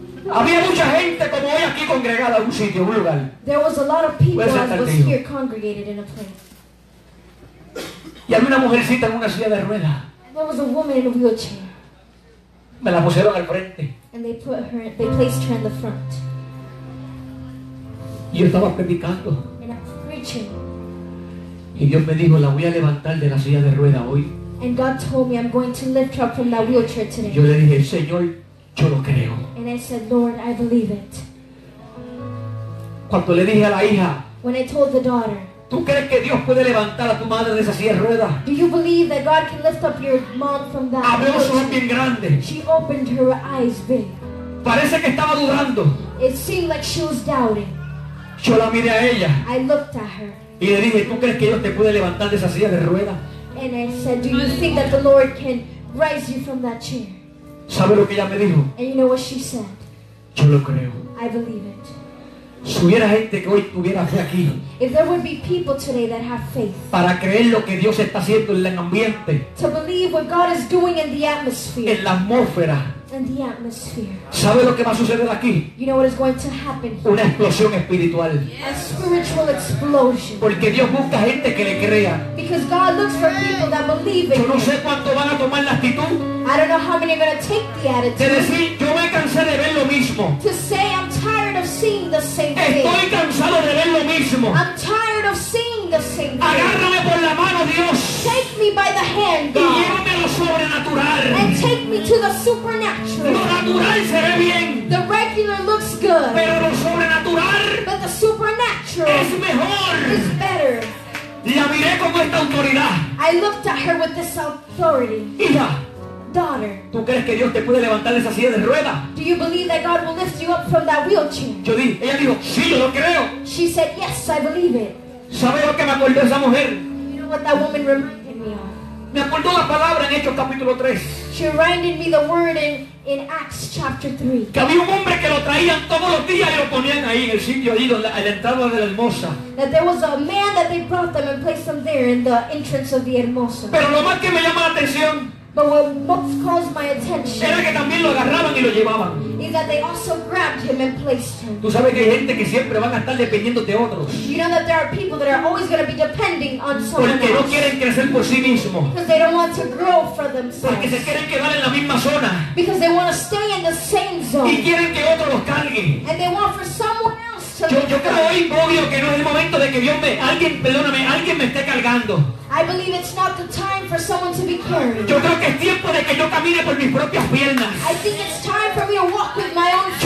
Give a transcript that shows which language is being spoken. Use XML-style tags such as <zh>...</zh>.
<es>Había mucha gente como hoy aquí congregada en un sitio, un lugar.</es> <en>There was a lot of people as was here congregated in a place.</en> <es>Y había una mujercita en una silla de rueda.</es> <en>And there was a woman in a wheelchair.</en> <es>Me la pusieron al frente.</es> <en>And they placed her in the front.</en> <es>Y yo estaba predicando.</es> <en>And I was preaching.</en> <es>Y Dios me dijo, la voy a levantar de la silla de rueda hoy.</es> <en>And God told me I'm going to lift her up from that wheelchair today.</en> <es>Yo le dije, Señor, yo lo creo.</es> <en>And I said, Lord, I believe it.</en> <es>Cuando le dije a la hija,</es> <en>when I told the daughter,</en> <es>¿tú crees que Dios puede levantar a tu madre de esa silla de rueda?</es> <en>Do you believe that God can lift up your mom from that?</en> <es>Abrió sus ojos bien grandes.</es> <en>She opened her eyes big.</en> <es>Parece que estaba dudando.</es> <en>It seemed like she was doubting.</en> <es>Yo la miré a ella.</es> <en>I looked at her.</en> <es>Y le dije, ¿tú crees que Dios te puede levantar de esa silla de rueda?</es> <en>And I said, do you think that the Lord can raise you from that chair?</en> <es>¿Sabe lo que ella me dijo?</es> <en>And you know what she said?</en> <es>Yo lo creo.</es> <en>I believe it.</en> <es>Si hubiera gente que hoy tuviera fe aquí,</es> <en>if there would be people today that have faith,</en> <es>para creer lo que Dios está haciendo en el ambiente,</es> <en>to believe what God is doing in the atmosphere,</en> <es>en la atmósfera,</es> <en>in the atmosphere,</en> <es>¿sabe lo que va a suceder aquí?</es> <en>You know what is going to happen here?</en> <es>Una explosión espiritual.</es> <en>A spiritual explosion.</en> <es>Porque Dios busca gente que le crea.</es> <en>Because God looks for people that believe in Him.</en> <es>Yo no sé cuánto van a tomar la actitud.</es> <en>I don't know how many are going to take the attitude.</en> <es>De decir, yo me cansé de ver lo mismo.</es> <en>To say, I'm tired of seeing the same thing.</en> <es>Estoy cansado de ver lo mismo.</es> <en>I'm tired of seeing the same thing.</en> <es>Agárrame por la mano, Dios.</es> <en>Take me by the hand, God.</en> <es>Y llévame lo sobrenatural.</es> <en>And take me to the supernatural.</en> <es>Lo natural se ve bien.</es> <en>The regular looks good.</en> <es>Pero lo sobrenatural.</es> <en>But the supernatural.</en> <es>Es mejor.</es> <en>Is better.</en> <es>La miré con esta autoridad.</es> <en>I looked at her with this authority.</en> <es>Hija.</es> <en>Daughter,</en> <es>¿tú crees que Dios te puede levantar de esa silla de rueda?</es> <en>Do you believe that God will lift you up from that wheelchair?</en> <es>Yo dije, ella dijo, sí, yo lo creo.</es> <en>She said, yes, I believe it.</en> <es>¿Sabe lo que me acordó esa mujer?</es> <en>You know what that woman reminded me of?</en> <es>Me acordó la palabra en Hechos capítulo 3.</es> <en>She reminded me the word in Acts chapter 3.</en> <es>Que había un hombre que lo traían todos los días y lo ponían ahí en el sitio ahí donde la entrada de la hermosa.</es> <en>That there was a man that they brought them and placed them there in the entrance of the hermosa.</en> <es>Pero lo más que me llama la atención,</es> <en>but what most caused my attention,</en> <es>era que también lo agarraban y lo llevaban,</es> <en>is that they also grabbed him and placed him.</en> <es>Tú sabes que hay gente que siempre van a estar dependiendo de otros.</es> <en>You know that there are people that are always going to be depending on someone.</en> <es>Porque no quieren crecer por sí mismos.</es> <en>Because they don't want to grow for themselves.</en> <es>Porque se quieren quedar en la misma zona.</es> <en>Because they want to stay in the same zone.</en> <es>Y quieren que otros los carguen.</es> <en>And they want for someone else.</en> <es>Yo creo hoy, obvio, que no es el momento de que Dios me, alguien, perdóname, alguien me esté cargando.</es> <en>I believe it's not the time for someone to be carried.</en> <es>Yo creo que es tiempo de que yo camine por mis propias piernas.</es> <en>I think it's time for me to walk with my own feet.</en>